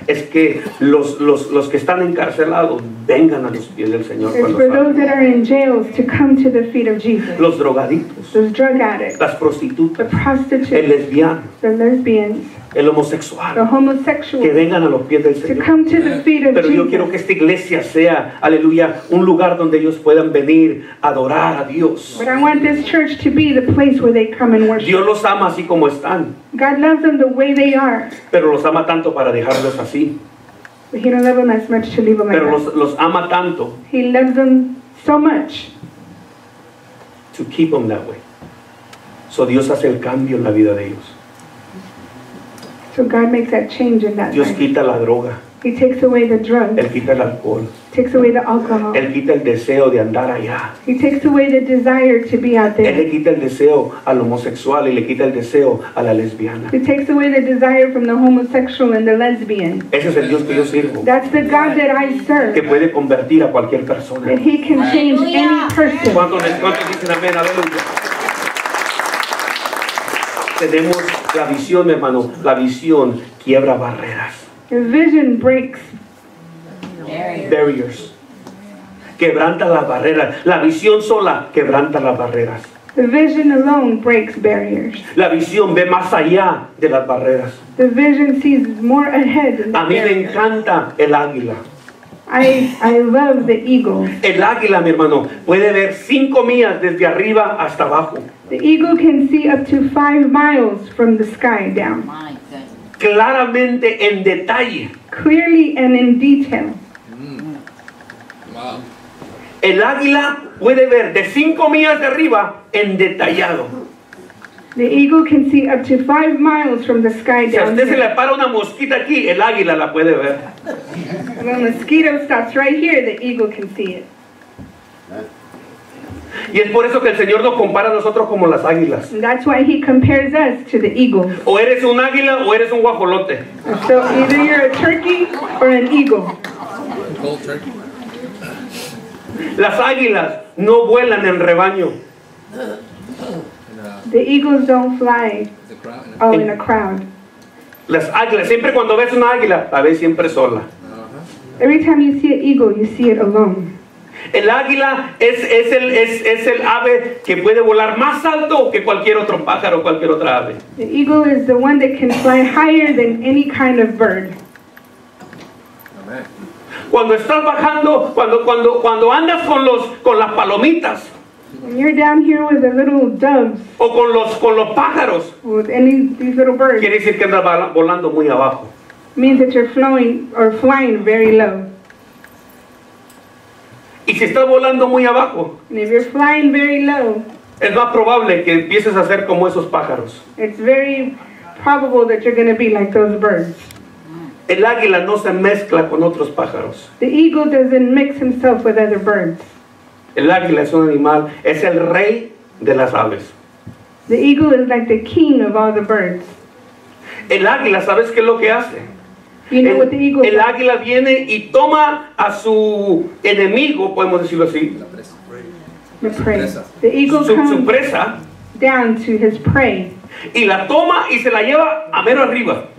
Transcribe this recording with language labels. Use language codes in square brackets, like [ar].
[es] Es que los que están encarcelados vengan a los pies del Señor. [en] It's for those that are in jails to come to the feet of Jesus. [es] Los drogadictos. [en] Those drug addicts. [es] Las prostitutas. [en] The prostitutes. [es] El lesbiano. [en] The lesbians. [es] El homosexual. [en] The homosexual. [es] Que vengan a los pies del Señor. [en] To come to the feet of [es] Pero Yo quiero que esta iglesia sea, aleluya, un lugar donde ellos puedan venir. Adorar a Dios. [en] But I want this church to be the place where they come and worship. [es] Dios los ama así como están. [en] God loves them the way they are. [es] Pero los ama tanto para dejarlos así. [en] But he don't love them as much to leave them like [es] Pero los ama tanto. [en] He loves them so much. To keep them that way. So [es] Dios hace el cambio en la vida de ellos. [en] So God makes that change in that [es] Dios [en] life. [es] Quita la droga. [en] He takes away the drugs. [es] Él quita el alcohol. [en] Takes away the alcohol. [es] Él quita el deseo de andar allá. [en] He takes away the desire to be out there. [es] Él le quita el deseo al homosexual y le quita el deseo a la lesbiana. [en] He takes away the desire from the homosexual and the lesbian. [es] Ese es el Dios que yo sirvo. [en] That's the God that I serve. [es] Que puede convertir a cualquier persona. [en] And he can change any person. [es] ¿Cuántos dicen amén? Aleluya. Tenemos la visión, mi hermano. La visión quiebra barreras. [en] Your vision breaks barriers. [es] Quebranta las barreras. La visión sola quebranta las barreras. [en] The vision alone breaks barriers. [es] La visión ve más allá de las barreras. [en] The vision sees more ahead than the barriers. [es] A mí me encanta el águila. [en] I love the eagle. [es] El águila, mi hermano, puede ver 5 millas desde arriba hasta abajo. [en] The eagle can see up to 5 miles from the sky down. [es] Claramente en detalle. [en] Clearly and in detail. [es] El águila puede ver de 5 millas de arriba en detallado. [en] The eagle can see up to 5 miles from the sky down. [es] Si a usted se le para una mosquita aquí, el águila la puede ver. [en] When a mosquito stops right here, the eagle can see it. [es] Y es por eso que el Señor nos compara a nosotros como las águilas. [en] That's why he compares us to the eagles. [es] O eres un águila o eres un guajolote. [en] So either you're a turkey or an eagle. Cold turkey. [es] Las águilas no vuelan en rebaño. [en] The eagles don't fly all in a crowd. [es] Las águilas, siempre cuando ves una águila, la ves siempre sola. [en] Every time you see an eagle, you see it alone. [es] El águila es el ave que puede volar más alto que cualquier otro pájaro, cualquier otra ave. [en] The eagle is the one that can fly higher than any kind of bird. [es] Cuando estás bajando, cuando andas con las palomitas. [en] When you're down here with the little doves. [es] O con los pájaros. [en] With any these little birds. [es] Quiere decir que andas volando muy abajo. [en] Means that you're flying very low. [es] Y si estás volando muy abajo. [en] And if you're flying very low. [es] Es más probable que empieces a ser como esos pájaros. [en] It's very probable that you're going to be like those birds. [es] El águila no se mezcla con otros pájaros. [en] The eagle doesn't mix himself with other birds. [es] El águila es un animal, es el rey de las aves. [en] The eagle is like the king of all the birds. [es] El águila, ¿sabes qué es lo que hace? [en] You know what the eagle does? [es] El águila viene y toma a su enemigo, podemos decirlo así. [en] The eagle comes [es] su presa, [en] down to his prey. [es] Y la toma y se la lleva a mero arriba.